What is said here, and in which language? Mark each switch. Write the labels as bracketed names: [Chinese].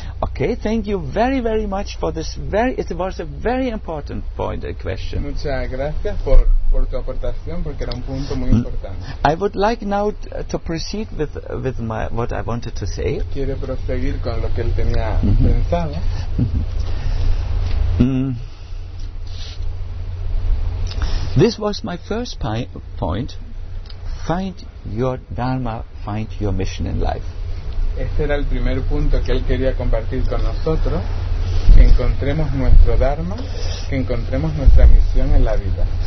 [English] Okay, thank you very, very much for this very, it was a very important point, a question. [Spanish] Muchas gracias por tu aportación, porque era un punto muy importante. [English] I would like now to proceed with my what I wanted to say. [Spanish] Quiero proseguir con lo que él tenía pensado. [English] This was my first point. Find your dharma, find your mission in life. [Spanish] Este era el primer punto que él quería compartir con nosotros. Que encontremos nuestro dharma, que encontremos nuestra misión en la vida.